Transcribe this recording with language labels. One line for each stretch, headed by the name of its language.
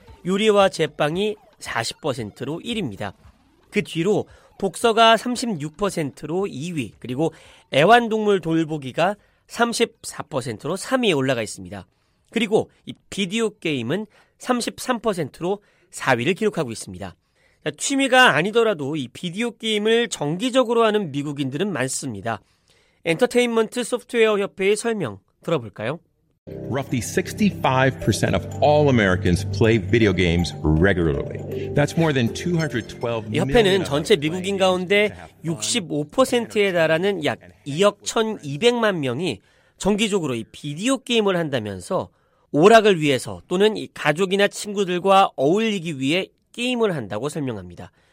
Korean: 요리와 제빵이 40%로 1위입니다. 그 뒤로 독서가 36%로 2위, 그리고 애완동물 돌보기가 34%로 3위에 올라가 있습니다. 그리고 이 비디오 게임은 33%로 4위를 기록하고 있습니다. 취미가 아니더라도 이 비디오 게임을 정기적으로 하는 미국인들은 많습니다. 엔터테인먼트 소프트웨어 협회의 설명 들어볼까요?
English: Roughly 65% of all Americans play video games regularly. That's more than 212 million.
Korean: 협회는 전체 미국인 가운데 65%에 달하는 약 2억 1,200만 명이 정기적으로 이 비디오 게임을 한다면서 오락을 위해서 또는 이 가족이나 친구들과 어울리기 위해 게임을 한다고 설명합니다.